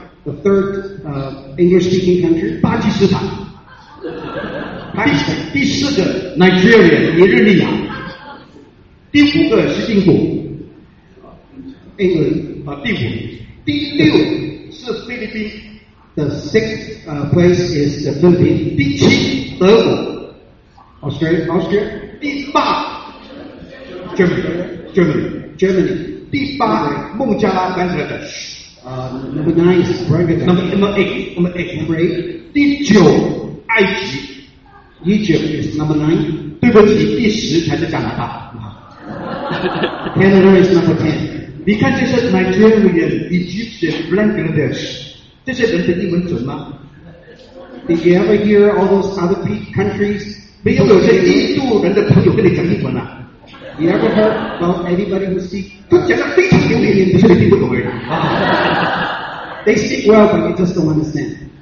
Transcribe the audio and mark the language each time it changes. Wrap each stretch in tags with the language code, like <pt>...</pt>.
<en>the third English speaking country,</en> <zh>巴基斯坦。第四个 Nigeria, 尼日利亚。第五个是英国,</zh> <en>England,</en> <zh>第五, 第六是菲律宾,</zh> <en>the sixth place is the Philippines,</en> <zh>第七德国,</zh> <en>Australia,</en> <zh>第八, Germany, 第八, 孟加拉班德的,</zh> <en>number nine is Brangadan, number eight, number eight, number eight,</en> <zh>第九, 埃及,</zh> <en>Egypt is number 9.</en> <zh>对不起，第十才是加拿大。</zh> <en>Canada is number 10.</en> <zh>你看这些 Nigerian, Egyptian, Bangladesh, 这些人的英文准吗？</zh> <en>Did you ever hear all those other countries?</en> <zh>没有有些印度人的朋友跟你讲英文啊。</zh> <en>You ever heard about anybody who speaks?</en> <zh>都讲得非常流利，你是听不懂而已。</zh> <en>They speak well, but you just don't understand.</en>